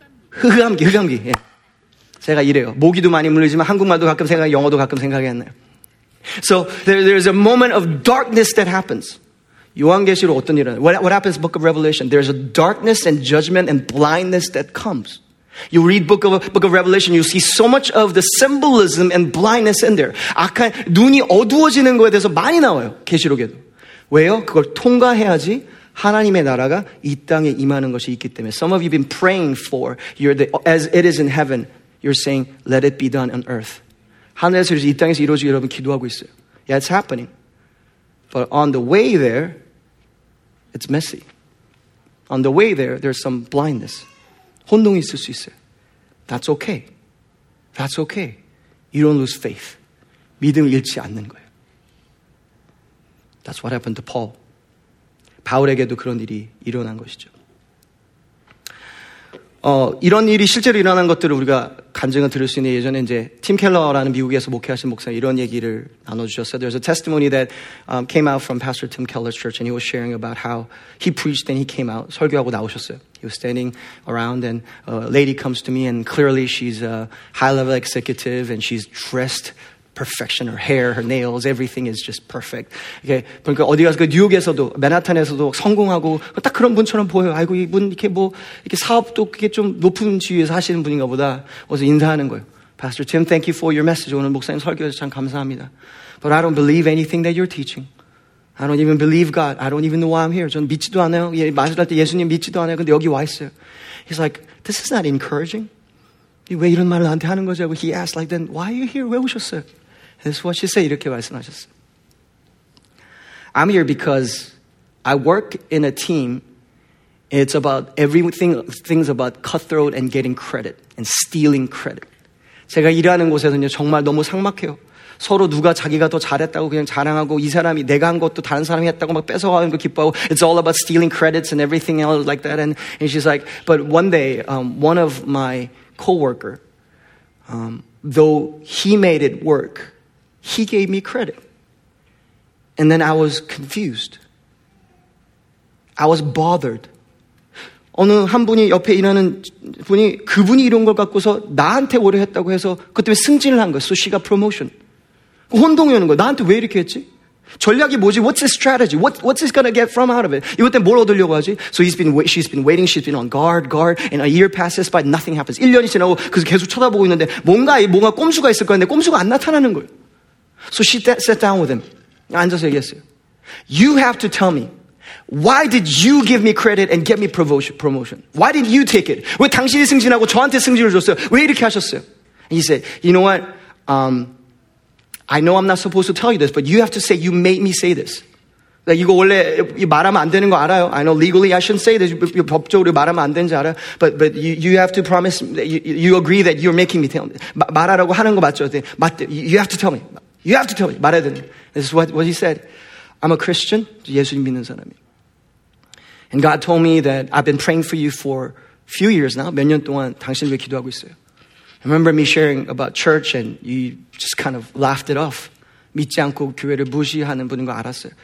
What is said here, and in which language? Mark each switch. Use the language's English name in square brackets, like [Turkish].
[Korean] 흑암기. 예. 제가 이래요. 모기도 많이 물리지만 한국말도 가끔 생각, 영어도 가끔 생각이 안 나요. [English] So there's a moment of darkness that happens. [Korean] 요한계시록 어떤 일이에요? [English] What happens in the book of Revelation? There's a darkness and judgment and blindness that comes. You read book of Revelation, you see so much of the symbolism and blindness in there. [Korean] 아까 눈이 어두워지는 거에 대해서 많이 나와요. 계시록에도. 왜요? 그걸 통과해야지 하나님의 나라가 이 땅에 임하는 것이 있기 때문에. [English] Some of you have been praying for as it is in heaven. You're saying, let it be done on earth. [Korean] 하늘에서 이 땅에서 이루어지기 여러분 기도하고 있어요. [English] Yeah, it's happening. But on the way there, it's messy. On the way there, there's some blindness. [Korean] 혼동이 있을 수 있어요. [English] That's okay. That's okay. You don't lose faith. [Korean] 믿음을 잃지 않는 거예요. [English] That's what happened to Paul. [Korean] 바울에게도 그런 일이 일어난 것이죠. 이런 일이 실제로 일어난 것들을 우리가 간증을 들을 수 있는 예전에 이제 팀 켈러라는 미국에서 목회하신 목사님 이런 얘기를 나눠주셨어요. [English] There's a testimony that came out from Pastor Tim Keller's church and he was sharing about how he preached and he came out, [Korean] 설교하고 나오셨어요. [English] He was standing around and a lady comes to me and clearly she's a high-level executive and she's dressed perfection, her hair, her nails, everything is just perfect. Okay. [Korean] 그러니까 어디 가서 그 뉴욕에서도 맨하탄에서도 성공하고 딱 그런 분처럼 보여요. 아이고 이분 이렇게 뭐 이렇게 사업도 그게 좀 높은 지위에서 하시는 분인가 보다. 그래서 인사하는 거예요. [English] Pastor Tim, thank you for your message. [Korean] 오늘 목사님 설교해서 참 감사합니다. [English] But I don't believe anything that you're teaching. I don't even believe God. I don't even know why I'm here. [Korean] 전 믿지도 않아요. 예, 마주할 때 예수님 믿지도 않아요. 근데 여기 와 있어요. [English] He's like, this is not encouraging. [Korean] 왜 이런 말을 나한테 하는 거지? [English] He asked like, then why are you here? [Korean] 왜 오셨어요? [English] That's what she said. [Korean] 이렇게 말씀하셨어요. [English] I'm here because I work in a team. It's about things about cutthroat and getting credit and stealing credit. [Korean] 제가 일하는 곳에서는요, 정말 너무 삭막해요. 서로 누가 자기가 더 잘했다고 그냥 자랑하고 이 사람이 내가 한 것도 다른 사람이 했다고 막 뺏어가는 거 기뻐하고 [English] It's all about stealing credits and everything else like that. And she's like, but one day, one of my co-worker, though he made it work, he gave me credit. And then I was confused. I was bothered. [Korean] 어느 한 분이 옆에 일하는 분이 그분이 이런 걸 갖고서 나한테 오래 했다고 해서 그때 승진을 한 거예요. [English] So she got promotion. [Korean] 혼동이 오는 거야. 나한테 왜 이렇게 했지? 전략이 뭐지? [English] What's his strategy? What's he gonna get from out of it? [Korean] 이것 때문에 뭘 얻으려고 하지? [English] So she's been waiting, she's been on guard, and a year passes by, nothing happens. [Korean] 1년이 지나고 계속 쳐다보고 있는데 뭔가 꼼수가 있을 거 같은데 꼼수가 안 나타나는 거예요. [English] So she sat down with him. [Korean] 앉아서 얘기했어요. [English] You have to tell me, why did you give me credit and get me promotion? Why did you take it? [Korean] 왜 당신이 승진하고 저한테 승진을 줬어요? 왜 이렇게 하셨어요? [English] And he said, you know what? I know I'm not supposed to tell you this, but you have to say you made me say this. Like, [Korean] 이거 원래 말하면 안 되는 거 알아요. [English] I know legally I shouldn't say this. [Korean] 법적으로 말하면 안 되는 줄 알아요. [English] But you have to promise, you agree that you're making me tell me. [Korean] 말하라고 하는 거 맞죠? 맞대. [English] You have to tell me. [Korean] 말해야 되는 거. [English] This is what he said. I'm a Christian. [Korean] 예수님 믿는 사람이. [English] And God told me that I've been praying for you for a few years now. [Korean] 몇 년 동안 당신을 위해 기도하고 있어요. [English] I remember me sharing about church and you just kind of laughed it off. [Korean] 믿지 않고 교회를 무시하는 분인 거 알았어요.